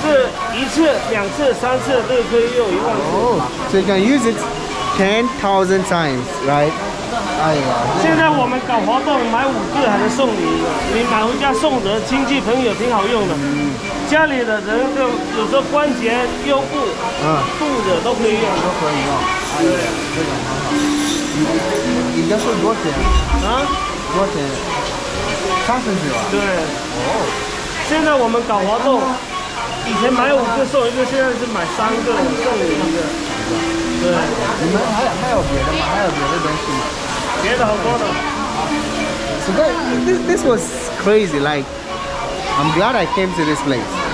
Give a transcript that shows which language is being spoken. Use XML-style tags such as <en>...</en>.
<zh>是一次、两次、三次都可以用一万次。</zh> <en>哦。So you can use it 10,000 times, right?</en> <zh>哎呀，现在我们搞活动，买五个还能送你，你买回家送的亲戚朋友挺好用的，家里的人就有时候关节腰部肚子都可以用，都可以用，对，这个很好。你这是多少钱啊？多少钱？30吧。对，哦，现在我们搞活动，以前买五个送一个，现在是买三个送你一个。对，你们还有别的吗？还有别的东西吗？别的好多的。</zh> <en>So that, this was crazy. Like, I'm glad I came to this place.</en>